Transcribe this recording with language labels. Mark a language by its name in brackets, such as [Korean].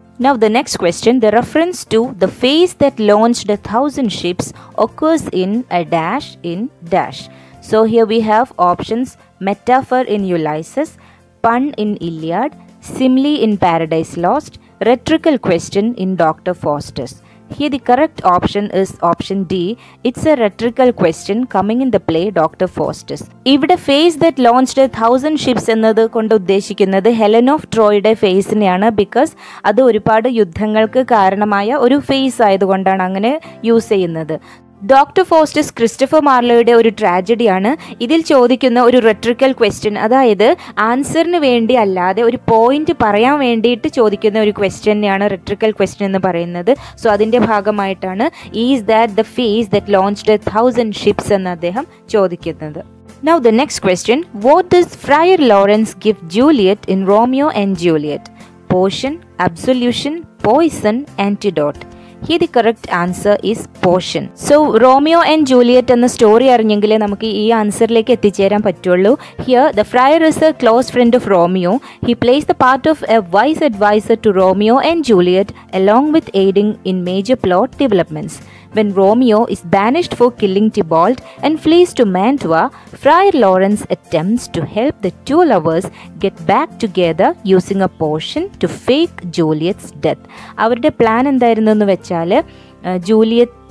[English] Now the next question, the reference to the face that launched 1000 ships occurs in a dash in dash. So here we have options metaphor in Ulysses, pun in Iliad, simile in Paradise Lost, rhetorical question in Doctor Faustus. Here the correct option is option D. It's a rhetorical question coming in the play Dr. Faustus. [Malayalam] ഇവിടെ [English] face that launched 1000 ships [Malayalam] എന്നത് കൊണ്ട് ഉദ്ദേശിക്കുന്നത് Helen of ട്രോയുടെ ഫേസിനെയാണ്. Because അത് ഒരുപാട് യുദ്ധങ്ങൾക്ക് കാരണമായ ഒരു face ആയതുകൊണ്ടാണ് അങ്ങനെ യൂസ് ചെയ്യുന്നത്. ഡോക്ടർ ഫോസ്റ്റസ് ക്രിസ്റ്റഫർ മാർലോയുടെ ഒരു ട്രാജഡിയാണ്. ഇതിൽ ചോദിക്കുന്ന ഒരു റെട്രിക്കൽ ക്വസ്റ്റ്യൻ, അതായത് ആൻസറിന് വേണ്ടി അല്ലാതെ ഒരു പോയിന്റ് പറയാൻ വേണ്ടിയിട്ട് ചോദിക്കുന്ന ഒരു ക്വസ്റ്റ്യനെയാണ് റെട്രിക്കൽ ക്വസ്റ്റ്യൻ എന്ന് പറയുന്നത്. സോ അതിൻ്റെ ഭാഗമായിട്ടാണ് [English] is that the face that launched 1000 ships [Malayalam] എന്ന് അദ്ദേഹം ചോദിക്കുന്നത്. [English] Now the next question, what does friar Lawrence give Juliet in Romeo and Juliet? Potion, absolution, poison, antidote. Here the correct answer is potion. [Malayalam] So Romeo and Juliet എന്ന story അറിഞ്ഞെങ്കിലേ നമുക്ക് ഈ ആൻസറിലേക്ക് എത്തിച്ചേരാൻ പറ്റുള്ളൂ. [English] Here the friar is a close friend of Romeo. He plays the part of a wise adviser to Romeo and Juliet along with aiding in major plot developments. When Romeo is banished for killing Tybalt and flees to Mantua, friar Lawrence attempts to help the two lovers get back together using a potion to fake Juliet's death. [Malayalam] അവരുടെ plan എന്തായിരുന്നു എന്ന് വെച്ചാൽ, Juliet